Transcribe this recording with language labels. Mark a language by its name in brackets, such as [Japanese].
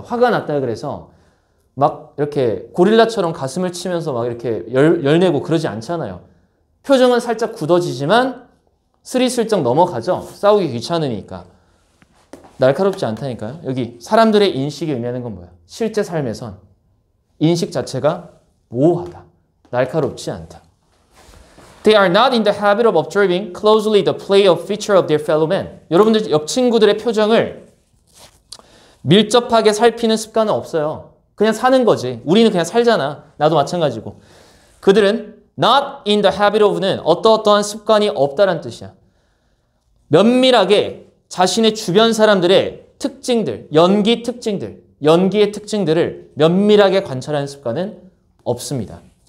[Korean] 화가 났다 그래서 막 이렇게 고릴라처럼 가슴을 치면서 막 이렇게 열내고 그러지 않잖아요. 표정은 살짝 굳어지지만 스리슬쩍 넘어가죠. 싸우기 귀찮으니까. 날카롭지 않다니까요. 여기 사람들의 인식이 의미하는 건 뭐야? 실제 삶에선 인식 자체가 모호하다. 날카롭지 않다. [English] They are not in the habit of observing closely the play of feature of their fellow men. [Korean] 여러분들 옆 친구들의 표정을 밀접하게 살피는 습관은 없어요. 그냥 사는 거지. 우리는 그냥 살잖아. 나도 마찬가지고. 그들은 [English] not in the habit of [Korean] 는 어떠어떠한 습관이 없다란 뜻이야. 면밀하게 자신의 주변 사람들의 특징들, 연기 특징들, 연기의 특징들을 면밀하게 관찰하는 습관은 없습니다.